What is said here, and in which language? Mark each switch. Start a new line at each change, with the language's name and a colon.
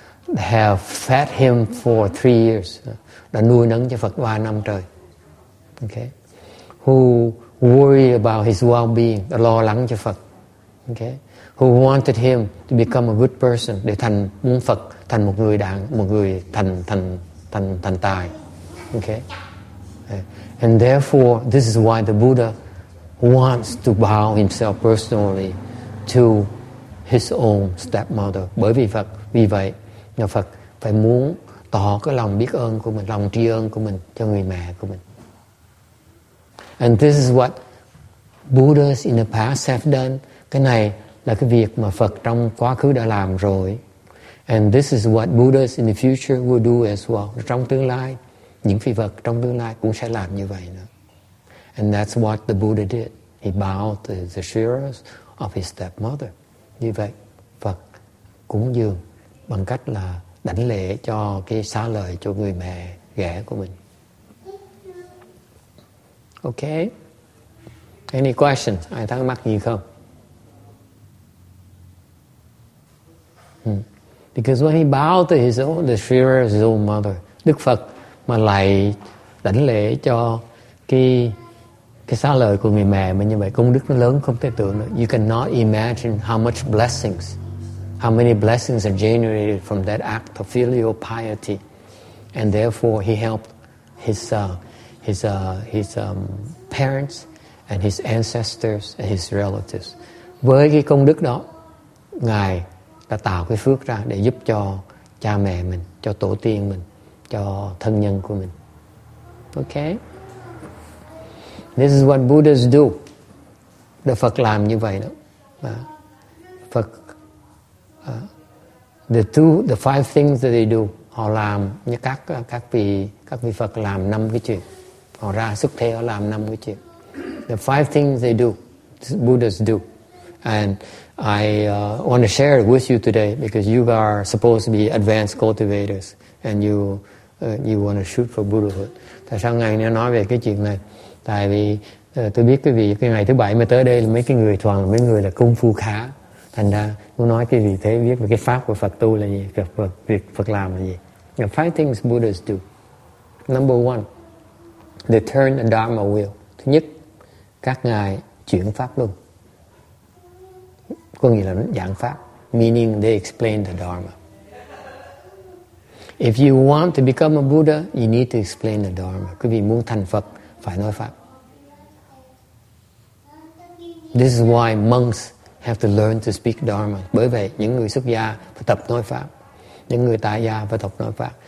English: Okay, have fed him for 3 years,
Vietnamese: đã nuôi nấng cho Phật 3 năm trời.
English: Okay, who worry about his well-being,
Vietnamese: đã lo lắng cho Phật.
English: Okay, who wanted him to become a good person,
Vietnamese: để thành, muốn Phật thành một người đàn, một người thành tài.
English: Okay, and therefore this is why the Buddha wants to bow himself personally to his own stepmother.
Vietnamese: Bởi vì Phật, vì vậy nhà Phật phải muốn tỏ cái lòng biết ơn của mình, lòng tri ân của mình cho người mẹ của mình.
English: And this is what Buddhas in the past have done.
Vietnamese: Cái này là cái việc mà Phật trong quá khứ đã làm rồi.
English: And this is what Buddhas in the future will do as well.
Vietnamese: Trong tương lai, những vị Phật trong tương lai cũng sẽ làm như vậy nữa.
English: And that's what the Buddha did. He bowed to the Shariras of his stepmother.
Vietnamese: Như vậy, Phật cúng dường bằng cách là đảnh lễ cho cái xá lợi cho người mẹ ghẻ của mình. Okay.
English: Any questions?
Vietnamese: Ai thắc mắc gì không?
English: Because when he bowed to his own, the Shriver's own mother,
Vietnamese: Đức Phật mà lại đảnh lễ cho cái xá lợi của người mẹ mà như vậy,
English: công đức nó lớn không thể tưởng được. You cannot imagine how much blessings, how many blessings are generated from that act of filial piety. And therefore he helped his parents and his ancestors and his relatives.
Vietnamese: Với cái công đức đó, Ngài đã tạo cái phước ra để giúp cho cha mẹ mình, cho tổ tiên mình, cho thân nhân của mình. Okay.
English: This is what Buddhas do.
Vietnamese: Đức Phật làm như vậy đó. Phật,
English: the five things that they do,
Vietnamese: họ làm như các vị Phật làm năm cái chuyện. Họ ra xuất thế họ làm năm cái chuyện.
English: The five things they do, Buddhas do, and I want to share it with you today because you are supposed to be advanced cultivators and you want to shoot for Buddhahood.
Vietnamese: Tại sao ngài nên nói về cái chuyện này? Tại vì tôi biết quý vị cái ngày thứ bảy mà tới đây là mấy cái người thuần, mấy người là công phu khá. Thành ra muốn nói cái gì thế, biết về cái pháp của Phật tu là gì, việc Phật làm là gì.
English: The five things Buddhas do. Number one, they turn the Dharma wheel.
Vietnamese: Thứ nhất, các ngài chuyển pháp luôn. Có nghĩa là giảng pháp.
English: Meaning they explain the Dharma. If you want to become a Buddha, you need to explain the Dharma.
Vietnamese: Quý vị muốn thành Phật, phải nói pháp.
English: This is why monks have to learn to speak Dharma.
Vietnamese: Bởi vậy, những người xuất gia phải tập nói pháp. Những người tại gia phải tập nói pháp.